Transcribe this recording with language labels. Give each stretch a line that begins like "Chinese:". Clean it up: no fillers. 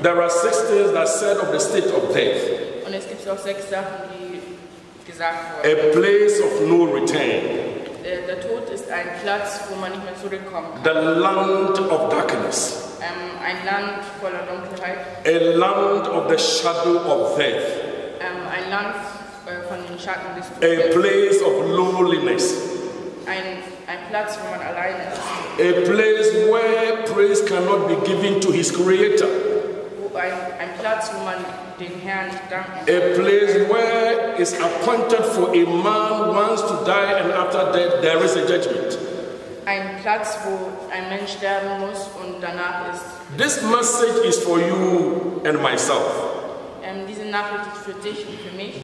English: There are six things that said of the state of death.
German: Und es gibt auch sechs Sachen, die gesagt wurden.
English: A place of no return.
German: Der Tod ist ein Platz, wo man nicht mehr zurückkommen kann.
English: The land of darkness.
German: Ein Land voller Dunkelheit.
English: A land of the shadow of death.
German: Ein Land von den Schatten des Todes.
English: A place of loneliness.
German: Ein Platz, wo man alleine ist.
English: A place where praise cannot be given to his creator.
German: Ein Platz, wo man den Herrn nicht danken kann.
English: A place where it's appointed for a man once to die and after death there is a judgment.
German: Ein Platz, wo ein Mensch sterben muss und danach ist.
English: This message is for you and myself.
German: Diese Nachricht ist für dich und für mich.